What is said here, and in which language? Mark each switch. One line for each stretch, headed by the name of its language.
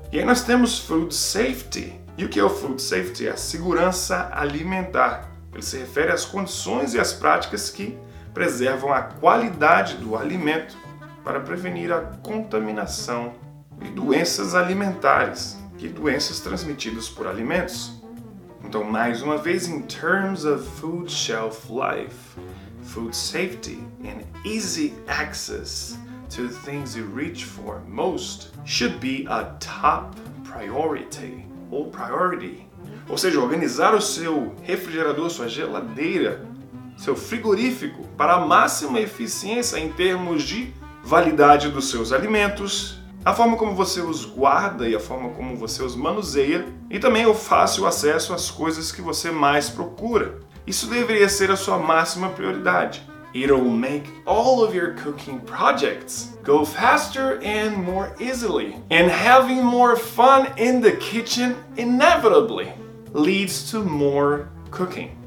Portuguese: E aí nós temos food safety. E o que é o food safety? É a segurança alimentar. Ele se refere às condições e às práticas que preservam a qualidade do alimento para prevenir a contaminação e doenças alimentares e doenças transmitidas por alimentos. Então, mais uma vez,
English: in terms of food shelf life, food safety and easy access to the things you reach for most should be a top priority or priority.
Portuguese: Ou seja, organizar o seu refrigerador, sua geladeira, seu frigorífico para a máxima eficiência em termos de validade dos seus alimentos, a forma como você os guarda e a forma como você os manuseia, e também o fácil acesso às coisas que você mais procura. Isso deveria ser a sua máxima prioridade.
English: It'll make all of your cooking projects go faster and more easily. And having more fun in the kitchen inevitably leads to more cooking.